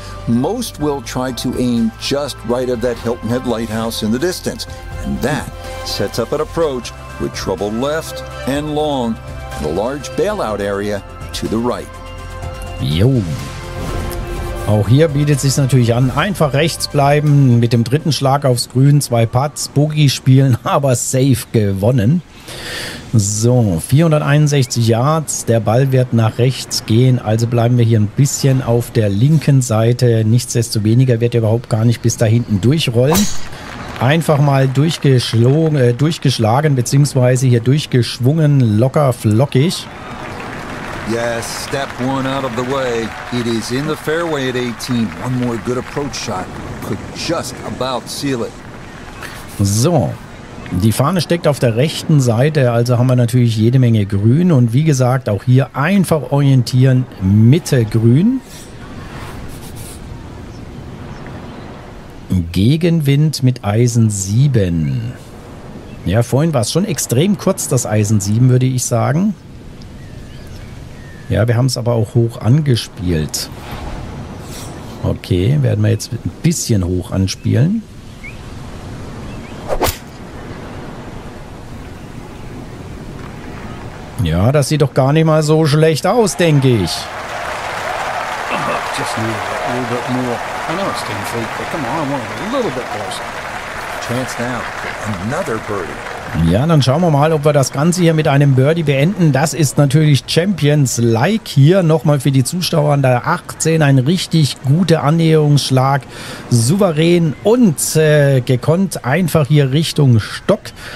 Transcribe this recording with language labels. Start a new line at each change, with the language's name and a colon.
English: Most will try to aim just right of that Hilton Head Lighthouse in the distance. And that sets up an approach with trouble left and long and a large bailout area to the right.
German: Jo. Auch hier bietet es sich natürlich an, einfach rechts bleiben, mit dem dritten Schlag aufs Grün, zwei Putts, Bogey spielen, aber safe gewonnen. So, 461 Yards, der Ball wird nach rechts gehen, also bleiben wir hier ein bisschen auf der linken Seite. Nichtsdestoweniger wird er überhaupt gar nicht bis da hinten durchrollen. Einfach mal durchgeschlagen bzw. hier durchgeschwungen, locker flockig.
English: Yes, step one out of the way. It is in the fairway at 18. One more good approach shot could just about seal it.
German: So, die Fahne steckt auf der rechten Seite, also haben wir natürlich jede Menge Grün. Und wie gesagt, auch hier einfach orientieren, Mitte grün. Gegenwind mit Eisen 7. Ja, vorhin war es schon extrem kurz, das Eisen 7, würde ich sagen. Ja, wir haben es aber auch hoch angespielt. Okay, werden wir jetzt ein bisschen hoch anspielen. Ja, das sieht doch gar nicht mal so schlecht aus, denke ich.
English: Just a little bit more. I know it's 10 feet, but come on, I want a little bit closer. Chance now. Another birdie.
German: Ja, dann schauen wir mal, ob wir das Ganze hier mit einem Birdie beenden. Das ist natürlich Champions-like hier. Nochmal für die Zuschauer an der 18. Ein richtig guter Annäherungsschlag. Souverän und gekonnt einfach hier Richtung Stock.